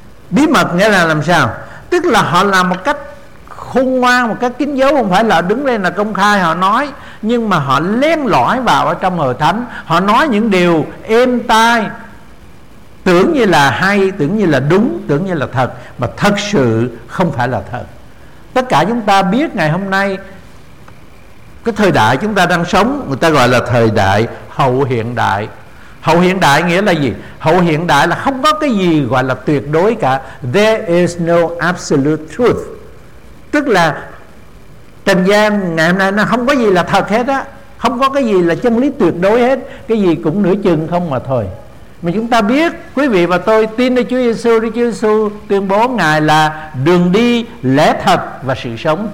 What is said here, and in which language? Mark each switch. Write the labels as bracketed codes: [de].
[vi] Bí mật nghĩa là làm sao? Tức là họ làm một cách khôn ngoan, một cách kín dấu, không phải là đứng lên là công khai họ nói, nhưng mà họ len lỏi vào ở trong hội thánh, họ nói những điều êm tai, tưởng như là hay, tưởng như là đúng, tưởng như là thật, mà thật sự không phải là thật. Tất cả chúng ta biết ngày hôm nay, cái thời đại chúng ta đang sống, người ta gọi là thời đại hậu hiện đại. Hậu hiện đại nghĩa là gì? Hậu hiện đại là không có cái gì gọi là tuyệt đối cả. [en] There is no absolute truth. [vi] Tức là trần gian ngày hôm nay nó không có gì là thật hết á. Không có cái gì là chân lý tuyệt đối hết. Cái gì cũng nửa chừng không mà thôi. Mà chúng ta biết, quý vị và tôi tin nơi Chúa Giê-xu, Đức Chúa Giê-xu tuyên bố Ngài là đường đi, lẽ thật và sự sống.